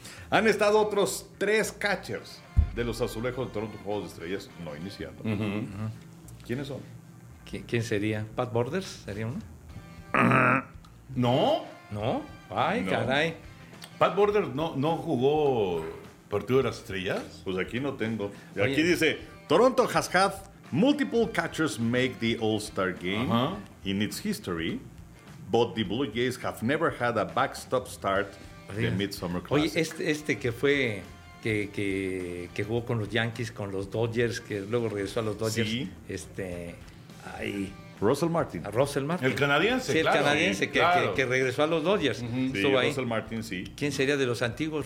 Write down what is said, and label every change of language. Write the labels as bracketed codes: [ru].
[es] Han estado otros 3 catchers de los Azulejos de Toronto Juegos de Estrellas no iniciando. Uh-huh, uh-huh. ¿Quiénes son? ¿Quién sería? ¿Pat Borders sería uno? ¿No? ¿No? Ay, no. Caray. ¿Pat Borders no jugó Partido de las Estrellas? Pues aquí no tengo. Oye. Aquí dice, [en] Toronto has had multiple catchers make the All-Star Game uh-huh. in its history, but the Blue Jays have never had a backstop start [es] de [en] Midsummer Classic. [es] Oye, este que fue que jugó con los Yankees, con los Dodgers, que luego regresó a los Dodgers. Sí. Ahí. Russell Martin. A Russell Martin. El canadiense, sí, claro. Sí, el canadiense que regresó a los Dodgers. Uh-huh. Estuvo sí, ahí. Russell Martin, sí. ¿Quién sería de los antiguos?